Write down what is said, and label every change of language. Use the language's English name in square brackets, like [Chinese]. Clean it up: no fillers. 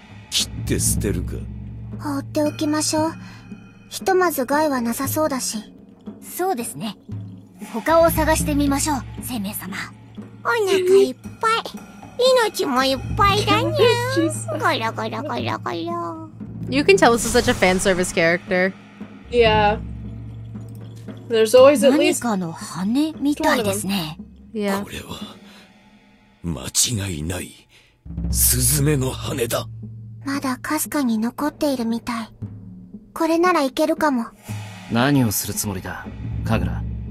[Japanese] 切って捨てるか。放っておきましょう。ひとまず害はなさそうだし。そうですね。他を探してみましょう、生命様。お腹いっぱい。命もいっぱいだにゃん。ゴロゴロゴロゴロ。 [English] You can tell this is such a fan service character. Yeah. There's always at least [Japanese] 何かの羽みたいですね。 [English] Yeah. [Japanese] これは間違いないスズメの羽だ。まだかすかに残っているみたい。これならいけるかも。何をするつもりだ、カグラ。